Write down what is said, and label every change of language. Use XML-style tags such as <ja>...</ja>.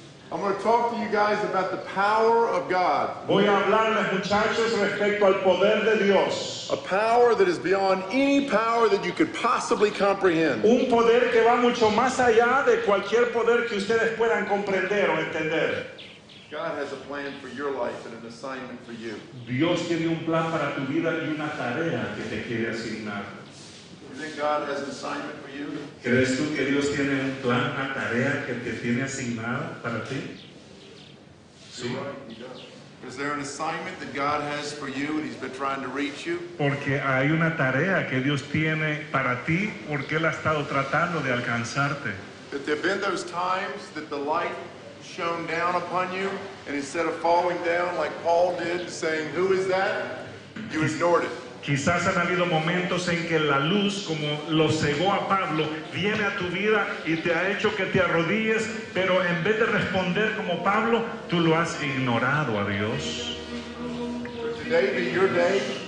<en>I'm going to talk to you guys about the power of God.</en> <es>Voy a hablarles, muchachos, respecto al poder de Dios.</es> <en>A power that is beyond any power that you could possibly comprehend.</en> <es>Un poder que va mucho más allá de cualquier poder que ustedes puedan comprender o entender.</es> <en>God has a plan for your life and an assignment for you.</en> <es>Dios tiene un plan para tu vida y una tarea que te quiere asignar.</es> <en>You think God has an assignment for you?</en> <es>¿Crees tú que Dios tiene un plan, una tarea que te tiene asignada para ti? Sí.</es> <en>You're right, he does. Is there an assignment that God has for you and he's been trying to reach you?</en> <es>Porque hay una tarea que Dios tiene para ti porque él ha estado tratando de alcanzarte.</es> <en>But there have been those times that the light shone down upon you, and instead of falling down like Paul did, saying, "Who is that?" you ignored it.</en> <es>Quizás han habido momentos en que la luz, como lo cegó a Pablo, viene a tu vida y te ha hecho que te arrodilles, pero en vez de responder como Pablo, tú lo has ignorado a Dios.</es> <en>Could today be your day?</en>